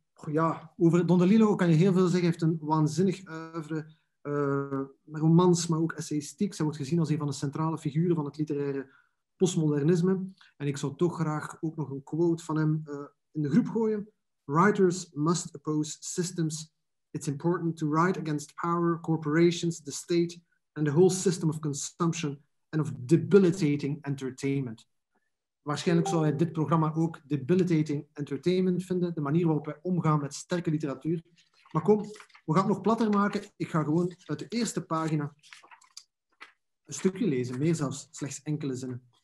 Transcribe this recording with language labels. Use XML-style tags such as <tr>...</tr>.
<nl>Ja, over Don DeLillo kan je heel veel zeggen. Hij heeft een waanzinnig oeuvre, romans, maar ook essayistiek. Hij wordt gezien als een van de centrale figuren van het literaire postmodernisme. En ik zou toch graag ook nog een quote van hem in de groep gooien:</nl> <en>Writers must oppose systems. It's important to write against power, corporations, the state. And the whole system of consumption and of debilitating entertainment.</en> <nl>Waarschijnlijk zou hij dit programma ook debilitating entertainment vinden, de manier waarop wij omgaan met sterke literatuur. Maar kom, we gaan het nog platter maken. Ik ga gewoon uit de eerste pagina een stukje lezen, meer zelfs, slechts enkele zinnen.</nl>